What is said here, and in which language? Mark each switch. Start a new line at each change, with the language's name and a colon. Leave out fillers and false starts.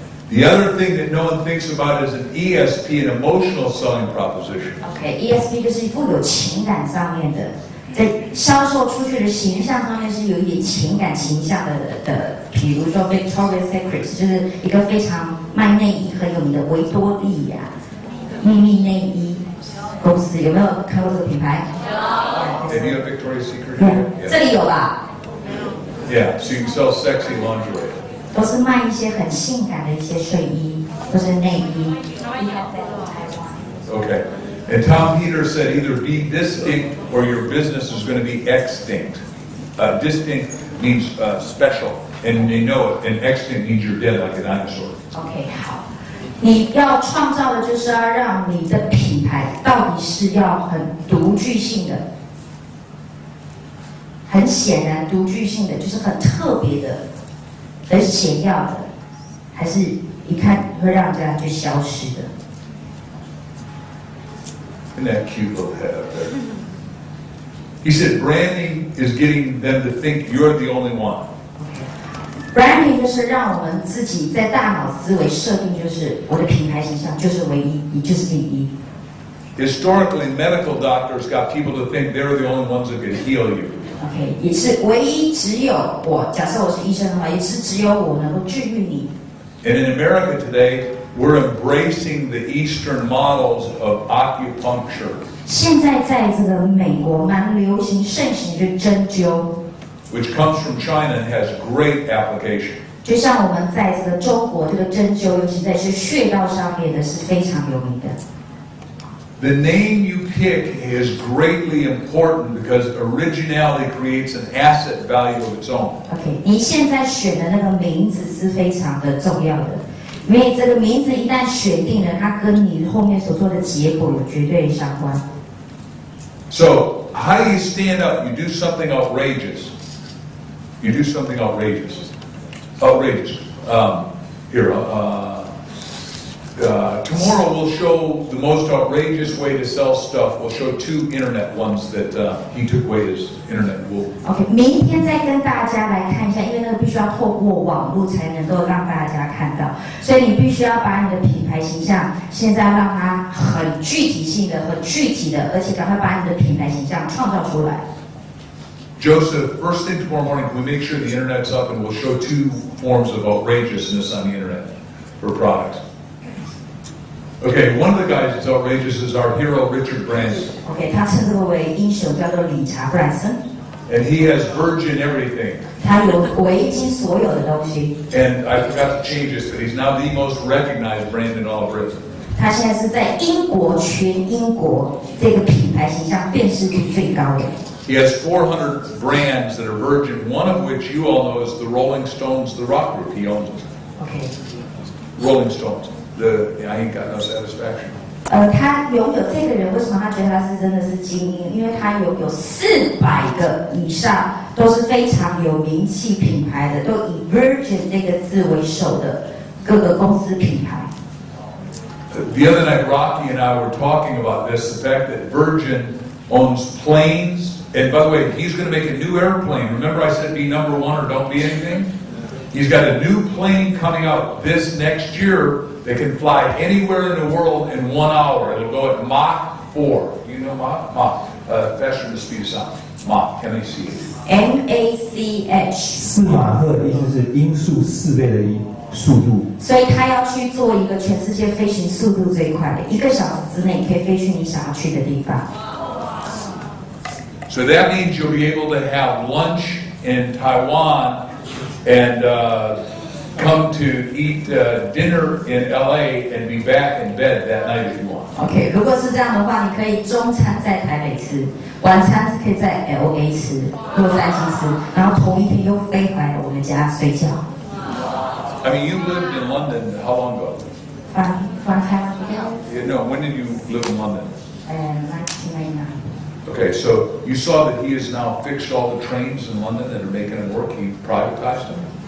English: The other thing that no one thinks about is an ESP, an emotional selling proposition.
Chinese: Okay, ESP 就是富有情感上面的，在销售出去的形象上面是有一点情感形象的比如说 Victoria's Secret 就是一个非常卖内衣很有名的维多利亚秘密内衣公司，有没有看过这个品牌？有。
English: Any of Victoria's Secret?
Chinese: 这里有吧？
English: Yeah, so you can sell sexy lingerie.
Chinese: 都是卖一些很性感的一些睡衣，或是内衣。
English: Okay, and Tom Peter said either be distinct or your business is going to be extinct. Distinct means special, and they know it. And extinct means you're dead like a dinosaur.
Chinese: Okay, 好，你要创造的就是要让你的品牌到底是要很独具性的，很显然独具性的就是很特别的。而显要的，还是一看会让人家就消失的。
English: In that cute little head up there, he said, "Branding is getting them to think you're the only one."
Chinese: Branding 就是让我们自己在大脑思维设定，就是我的品牌形象就是唯一，你就是第一。
English: Historically, medical doctors got people to think they're the only ones that can heal you.
Chinese: Okay, 也是唯一只有我。假设我是医生的话，也是只有我能够治愈你。
English: And in America today, we're embracing the Eastern models of acupuncture.
Chinese: 现在在这个美国蛮流行盛行的针灸
English: ，which comes from China and has great application.
Chinese: 就像我们在这个中国这个针灸，尤其在是穴道上面的是非常有名的。
English: The name you pick is greatly important because originality creates an asset value of its own.
Chinese: Okay, 你现在选的那个名字是非常的重要的，因为这个名字一旦选定了，它跟你后面所做的结果有绝对相关。
English: So, how do you stand up? You do something outrageous. You do something outrageous. Outrageous. Tomorrow we'll show the most outrageous way to sell stuff. We'll show two internet ones that he took away his internet wool.
Chinese: Okay, 明天再跟大家来看一下，因为那个必须要透过网络才能够让大家看到，所以你必须要把你的品牌形象现在让它很具体性的、很具体的，而且赶快把你的品牌形象创造出来。
English: Joseph, first thing tomorrow morning, we make sure the internet's up, and we'll show two forms of outrageousness on the internet for product. Okay, one of the guys that's outrageous is our hero, Richard Branson.
Chinese: Okay, 他称之为英雄叫做理查·布兰森。
English: And he has virgin everything.
Chinese: 他有维京所有的东西。
English: And I forgot to change this, but he's now the most recognized brand in all of Britain.
Chinese: 他现在是在英国全英国这个品牌形象辨识度最高的。
English: He has 400 brands that are virgin, one of which you all know is the Rolling Stones, the rock group he owns. Okay. Rolling Stones. I ain't got no satisfaction.
Chinese: 他拥有这个人，为什么他觉得他是真的是精英？因为他有400个以上都是非常有名气品牌的，都以 Virgin 这个字为首的各个公司品牌。
English: The other night, Rocky and I were talking about this, the fact that Virgin owns planes. And by the way, he's going to make a new airplane. Remember, I said be number one or don't be anything. He's got a new plane coming out this next year. They can fly anywhere in the world in 1 hour. It'll go at Mach 4. Do you know Mach? Mach. Faster than the speed of sound. Mach. M-A-C-H. M-A-C-H.
Chinese: 四马赫意思是音速四倍的速度。所以他要去做一个全世界飞行速度最快的，一个小时之内可以飞去你想要去的地方。
English: So that means you'll be able to have lunch in Taiwan and come to eat dinner in LA and be back in bed that night if you want.
Chinese: Okay, 如果是这样的话，你可以中餐在台北吃，晚餐是可以在 LA 吃，洛杉矶吃，然后同一天又飞回来我们家睡觉。
English: I mean, you lived in London how long ago? Five years ago. Yeah, no, when did you live in London? 1999. Okay, so you saw that he has now fixed all the trains in London that are making them work. He privatized them.